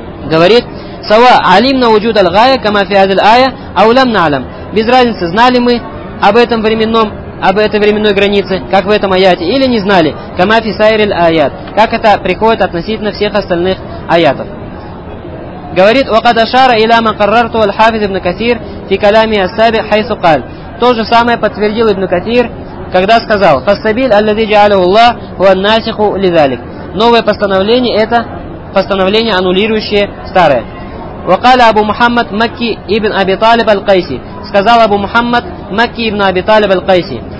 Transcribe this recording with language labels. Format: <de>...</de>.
<ru>Говорит,</ru> <ar>«Сава алимна уджуд аль-гая, кама фи хазиль ая, аулям наалам».</ar> <ru>Без разницы, знали мы об этой временной границе, как в этом аяте, или не знали,</ru> <ar>кама фи сайриль аят,</ar> <ru>как это приходит относительно всех остальных аятов. Говорит,</ru> <ar>وَقَدْ أَشَارَ إِلَى مَا قَرَّرْتُ وَالْحَافِذِ إِبْنُ كَثِيرٍ فِي كَلَامِهِ السَّابِعِ حَيْثُ قَالَ.</ar> <ru>То же самое подтвердил Ибн Катир, когда сказал,</ru> <ar>فَالسَّبِيلَ الَّذِي جَعَلَهُ اللَّهُ هُوَ النَّاسِخُ لِذَلِكَ.</ar> <ru>новое постановление – это постановление, аннулирующее старое.</ru> <ar>«Вакаля</ar> <ru>Абу Мухаммад Макки ибн Аби Талиб Аль-Кайси». Сказал Абу Мухаммад Макки ибн Аби Талиб Аль-Кайси.</ru>